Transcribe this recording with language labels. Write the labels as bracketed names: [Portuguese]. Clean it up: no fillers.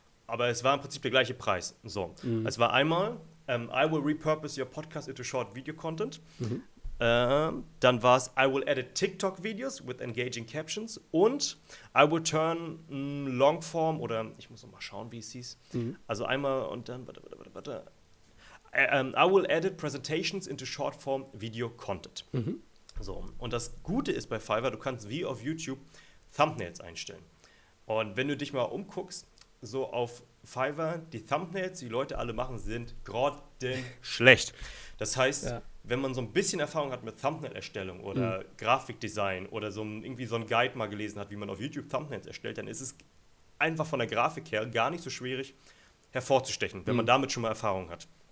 [German] Aber es war im Prinzip der gleiche Preis. So, es war einmal, [English] I will repurpose your podcast into short video content. [German] Dann war es, [English] I will edit TikTok Videos with engaging captions [German] und [English] I will turn Longform [German] oder ich muss noch mal schauen, wie es hieß. Also einmal und dann, warte. [English] I will edit presentations into short form video content. [German] So, und das Gute ist bei Fiverr, du kannst wie auf YouTube Thumbnails einstellen. Und wenn du dich mal umguckst, so auf Fiverr, die Thumbnails, die Leute alle machen, sind grottenschlecht. Das heißt, wenn man so ein bisschen Erfahrung hat mit Thumbnail-Erstellung oder Grafikdesign oder so ein Guide mal gelesen hat, wie man auf YouTube Thumbnails erstellt, dann ist es einfach von der Grafik her gar nicht so schwierig hervorzustechen, wenn man damit schon mal Erfahrung hat.